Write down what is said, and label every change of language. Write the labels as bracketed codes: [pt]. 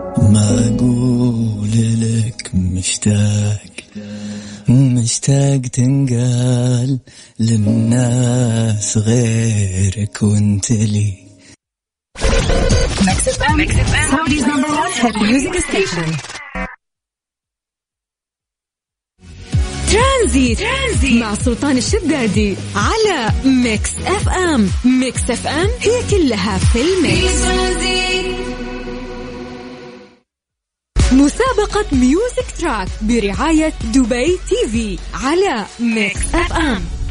[ar] ما أقول لك مشتاق، مشتاق تنقال للناس غيرك وانت لي. [en] Mix FM, Saudi's number one hit music station. [ar] ترانزيت. ترانزيت مع سلطان الشدادي على ميكس اف ام. ميكس اف ام هي كلها في الميكس. مسابقة ميوزك تراك برعاية دبي تي في على ميكس اف ام.